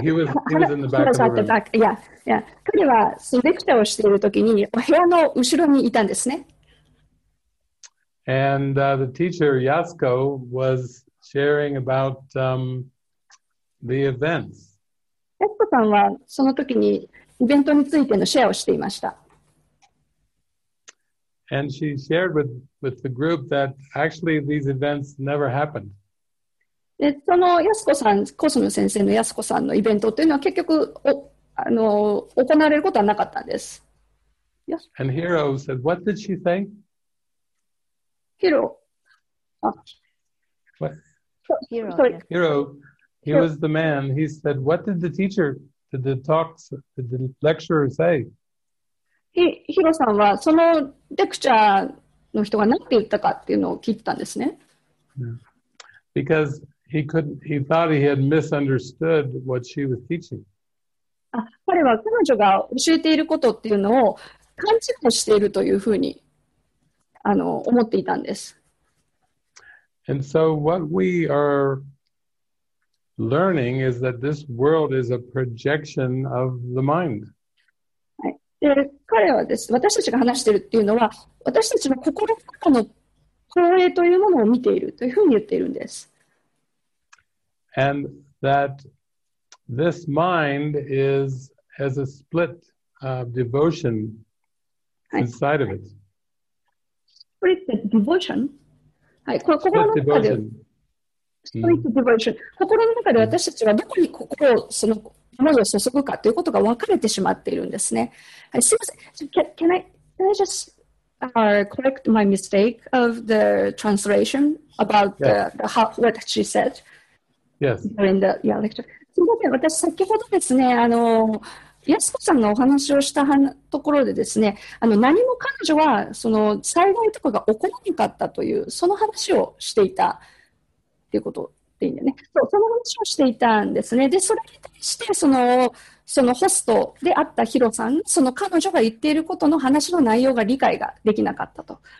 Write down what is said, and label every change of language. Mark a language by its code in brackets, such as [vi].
[en] he was in the back of the room. Yeah. [ja] 彼は、そのレクチャーをしているときに、お部屋の後ろにいたんですね。 [en] And the teacher, Yasuko, was sharing about the events. [ja] Yasuko さんはその時にイベントについてのシェアをしていました。 [en] And she shared with the group that actually these events never happened. [ja] で、そのやすこさん、コスム先生のやすこさんのイベントというのは結局行われることはなかったんです。 [en] And Hiro said, what did she say? Hiro. What? Hiro. Hiro, he was the man. He said, what did the teacher, did the lecturer say? [ja] Hiro さんはそのレクチャーの人が何て言ったかっていうのを聞いたんですね。 [en] Because he couldn't, he thought he had misunderstood what she was teaching. [ja] 彼は彼女が教えていることっていうのを勘違いしているというふうに思っていたんです。 [en] And so what we are learning is that this world is a projection of the mind. [ja] はい。で、彼はです。私たちが話しているっていうのは、私たちの心の中の投影というものを見ているというふうに言っているんです。 [en] And that this mind is has a split devotion. Inside of it. Split devotion? Split devotion. Split devotion. [ja] 心の中で私たちはどこに心をその思いを注ぐかということが分かれてしまっているんですね。はい、すみません。 [en] Can I just correct my mistake of the translation about what she said? Yes. During the lecture. [ja] すみません。私先ほどですね、安子さんがお話をしたところでですね、何も彼女はその災害とかが起こらなかったというその話をしていたっていうことでいいんだよね。そう、その話をしていたんですね。で、それに対してそのホストであったヒロさん、その彼女が言っていることの話の内容が理解ができなかったと。